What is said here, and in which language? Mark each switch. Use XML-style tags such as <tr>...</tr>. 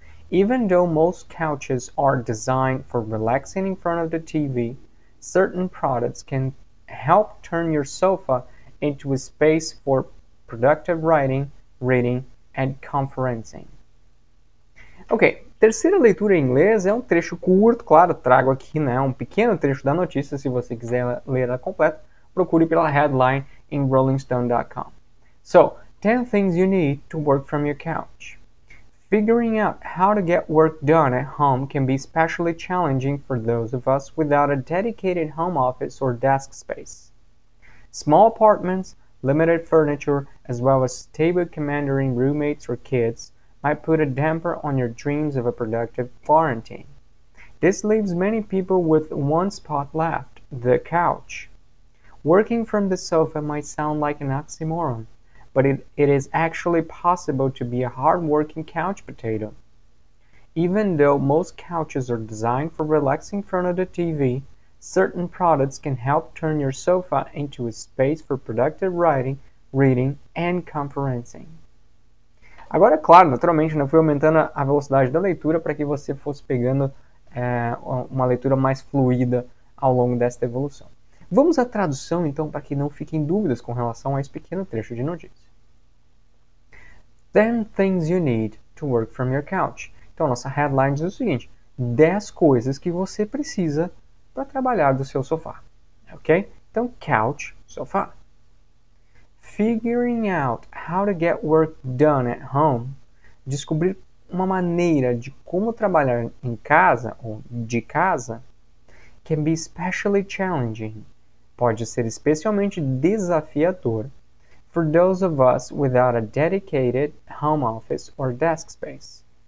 <en>Even though most couches are designed for relaxing in front of the TV, certain products can help turn your sofa into a space for productive writing, reading, and conferencing. Okay.</en> <pt>Terceira leitura em inglês é um trecho curto, claro, trago aqui, né, um pequeno trecho da notícia. Se você quiser ler ela completa, procure pela headline em rollingstone.com.</pt> <en>So, 10 things you need to work from your couch. Figuring out how to get work done at home can be especially challenging for those of us without a dedicated home office or desk space. Small apartments, limited furniture, as well as table commanding roommates or kids might put a damper on your dreams of a productive quarantine. This leaves many people with one spot left, the couch. Working from the sofa might sound like an oxymoron, but it is actually possible to be a hard-working couch potato. Even though most couches are designed for relaxing in front of the TV, certain products can help turn your sofa into a space for productive writing, reading, and conferencing.</en> <pt>Agora, claro, naturalmente, eu fui aumentando a velocidade da leitura para que você fosse pegando uma leitura mais fluida ao longo desta evolução. Vamos à tradução, então, para que não fiquem dúvidas com relação a esse pequeno trecho de notícia.</pt> <en>10 things you need to work from your couch.</en> <pt>Então, nossa headline diz o seguinte: 10 coisas que você precisa para trabalhar do seu sofá. Ok? Então, couch, sofá.</pt> <en>Figuring out how to get work done at home.</en> <pt>Descobrir uma maneira de como trabalhar em casa ou de casa</pt> <en>can be especially challenging.</en> <pt>Pode ser especialmente desafiador</pt> <en>for those of us without a dedicated home office or desk space.</en>